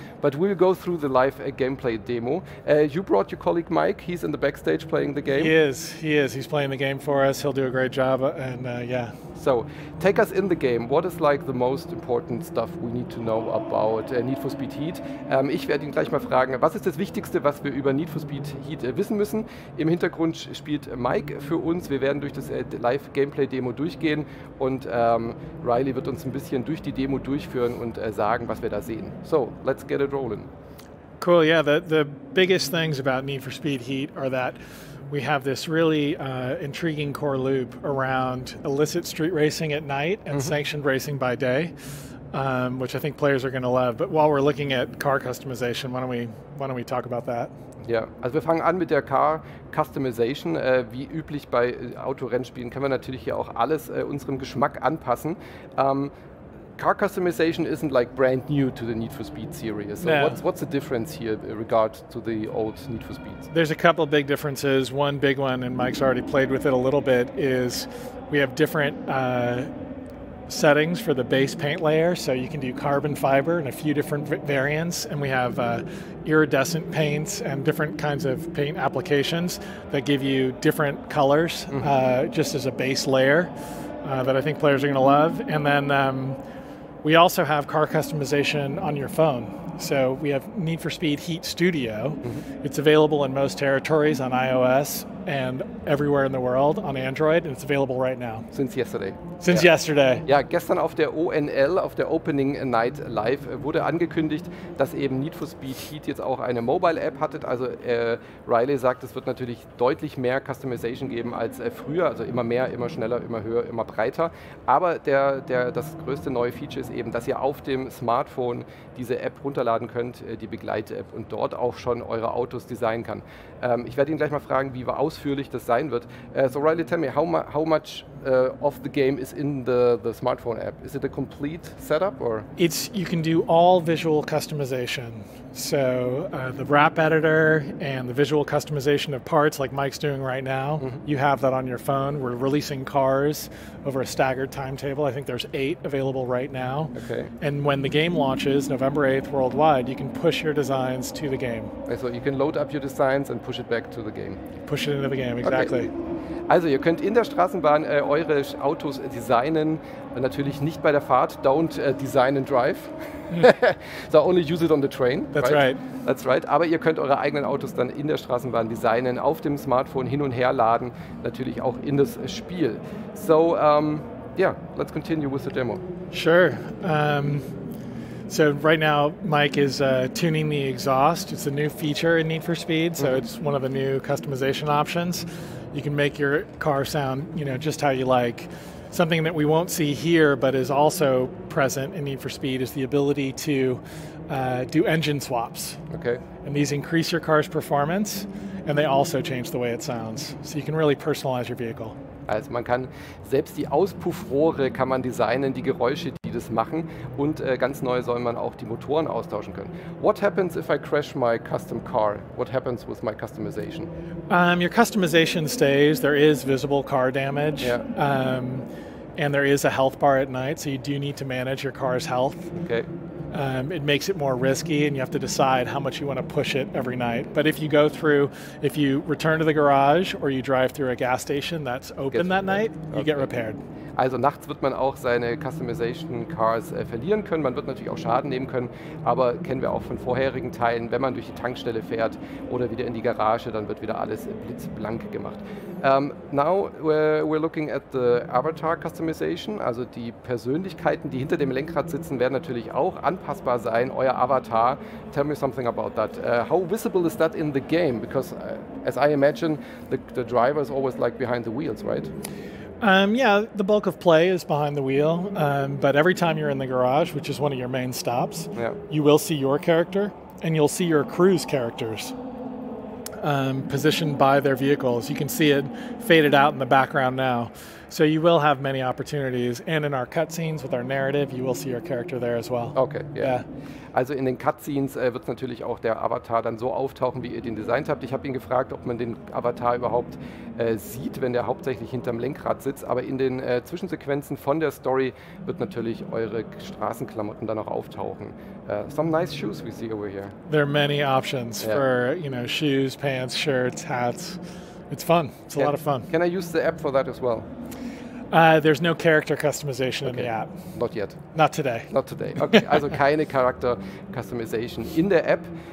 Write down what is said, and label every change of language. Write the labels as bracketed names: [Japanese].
[English] But we'll go through the live gameplay demo. You brought your colleague Mike. He's in the backstage playing the game. He is. He's playing the game for us. He'll do a great job. And yeah. So take us in the game. What is like the most important stuff we need to know about Need for Speed Heat? [German] Ich werde ihn gleich mal fragen, was ist das Wichtigste, was wir über Need for Speed Heat wissen müssen? Im Hintergrund spielt Mike für uns. Wir werden durch das [English] live gameplay demo [German] durchgehen. Und Riley wird uns ein bisschen durch die Demo durchführen und sagen, was wir da sehen. [English] So, let's get it rolling. Cool, yeah. The biggest things about Need for Speed Heat are that we have this really intriguing core loop around illicit street racing at night and sanctioned racing by day, which I think players are going to love. But while we're looking at car customization, why don't we talk about that? [German] Ja, also wir fangen an mit der Car Customization. Wie üblich bei Autorennspielen können wir natürlich hier auch alles unserem Geschmack anpassen. [English] Car customization isn't like brand new to the Need for Speed series. So no. What's the difference here in regard to the old Need for Speed? There's a couple of big differences. One big one, and Mike's already played with it a little bit, is we have different settings for the base paint layer. So you can do carbon fiber and a few different variants. And we have iridescent paints and different kinds of paint applications that give you different colors just as a base layer that I think players are going to love. And then we also have car customization on your phone. So we have Need for Speed Heat Studio. Mm-hmm. It's available in most territories on iOS and everywhere in the world on Android, and it's available right now. Since yesterday. [German] Ja, gestern auf der ONL, auf der Opening Night Live, wurde angekündigt, dass eben Need for Speed Heat jetzt auch eine Mobile-App hattet. Also Riley sagt, es wird natürlich deutlich mehr Customization geben als früher. Also immer mehr, immer schneller, immer höher, immer breiter. Aber das größte neue Feature ist eben, dass ihr auf dem Smartphone diese App runterladen könnt, die Begleit-App, und dort auch schon eure Autos designen kann. Ich werde ihn gleich mal fragen, wie ausführlich das sein wird. [English] So Riley, tell me, how much of the game is in the smartphone app? Is it a complete setup or? It's, you can do all visual customization. So the wrap editor and the visual customization of parts like Mike's doing right now, you have that on your phone. We're releasing cars over a staggered timetable. I think there's 8 available right now. Okay. And when the game launches November 8th worldwide, you can push your designs to the game. Okay, so you can load up your designs and push it back to the game. Push it into the game, exactly. Okay. [German] Also ihr könnt in der Straßenbahn eure Autos designen, natürlich nicht bei der Fahrt. [English] Don't design and drive. So only use it on the train. That's right. That's right. [German] Aber ihr könnt eure eigenen Autos dann in der Straßenbahn designen, auf dem Smartphone hin und her laden, natürlich auch in das Spiel. [English] So, yeah, let's continue with the demo. Sure. So right now, Mike is tuning the exhaust. It's a new feature in Need for Speed, so it's one of the new customization options. You can make your car sound, you know, just how you like. Something that we won't see here, but is also present in Need for Speed, is the ability to do engine swaps. Okay. And these increase your car's performance, and they also change the way it sounds. So you can really personalize your vehicle. [German] Also man kann selbst die Auspuffrohre kann man designen, die Geräusche, die das machen, und ganz neu soll man auch die Motoren austauschen können. [English] What happens if I crash my custom car? What happens with my customization? Your customization stays. There is visible car damage. Yeah. And there is a health bar at night, so you do need to manage your car's health. Okay. It makes it more risky, and you have to decide how much you want to push it every night. But if you go through, if you return to the garage or you drive through a gas station that's open that night, you get repaired. [German] Also nachts wird man auch seine Customization Cars verlieren können. Man wird natürlich auch Schaden nehmen können, aber kennen wir auch von vorherigen Teilen, wenn man durch die Tankstelle fährt oder wieder in die Garage, dann wird wieder alles blitzblank gemacht. [English] Now we're looking at the Avatar Customization. [German] Also die Persönlichkeiten, die hinter dem Lenkrad sitzen, werden natürlich auch anpassbar sein. Euer Avatar, [English] tell me something about that. How visible is that in the game? Because as I imagine, the driver is always like behind the wheels, right? Yeah, the bulk of play is behind the wheel, but every time you're in the garage, which is one of your main stops, you will see your character, and you'll see your crew's characters positioned by their vehicles. You can see it faded out in the background now. So you will have many opportunities. And in our cutscenes with our narrative, you will see your character there as well. Okay, yeah. [German] Also in den Cutscenes wird es natürlich auch der Avatar dann so auftauchen, wie ihr den designt habt. Ich habe ihn gefragt, ob man den Avatar überhaupt sieht, wenn der hauptsächlich hinterm Lenkrad sitzt. Aber in den Zwischensequenzen von der Story wird natürlich eure Straßenklamotten dann auch auftauchen. [English] Some nice shoes we see over here. There are many options for, you know, shoes, pants, shirts, hats. It's fun. It's a lot of fun. Can I use the app for that as well? There's no character customization in the app. Not yet. Not today. Not today. [German] Okay, also keine character customization in the app.